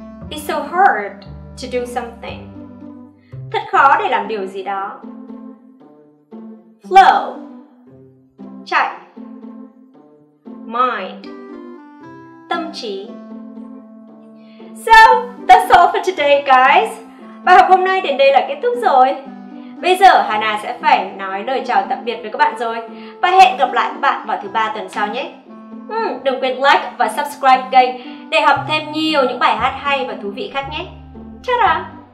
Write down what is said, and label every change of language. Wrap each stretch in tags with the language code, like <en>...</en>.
<en>It's so hard to do something.</en> <vi>Thật khó để làm điều gì đó. Flow, chạy. Mind, tâm trí.</vi> <en>So, that's all for today, guys.</en> <vi>Bài học hôm nay đến đây là kết thúc rồi. Bây giờ Hà Na sẽ phải nói lời chào tạm biệt với các bạn rồi. Và hẹn gặp lại các bạn vào thứ ba tuần sau nhé. Đừng quên like và subscribe kênh để học thêm nhiều những bài hát hay và thú vị khác nhé. Ciao!</vi>